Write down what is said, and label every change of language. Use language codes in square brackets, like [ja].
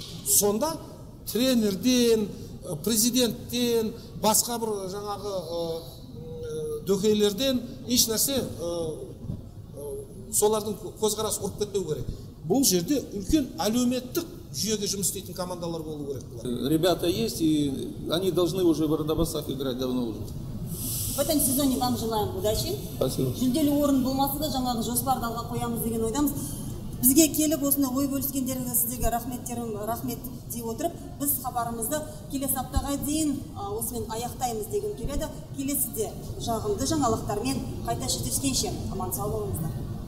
[kk] Сонда тренерден, президенттен, басқа бір жаңағы дөкейлерден еш нәрсе солардың көзқарасы ұрып кетпеу керек. Бұл жерде үлкен әлеуметтік жүйеге жұмыс істейтін командалар болу керек. [ru] Ребята есть, и они должны уже в Ардабасах играть давно уже. В этом сезоне вам желаем удачи. Спасибо. [kk] Жүлделі орын болмаса да жаңағы жоспарды алға қоямыз деген ойдамыз. Бізге келіп осында ой бөліскендеріңізге сіздерге рахмет дей отырып, біз хабарымызды келесі аптаға дейін осымен аяқтаймыз деген келеді. Келесі де жағымды жаңалықтармен қайта жүздескенше аман сау болыңыздар.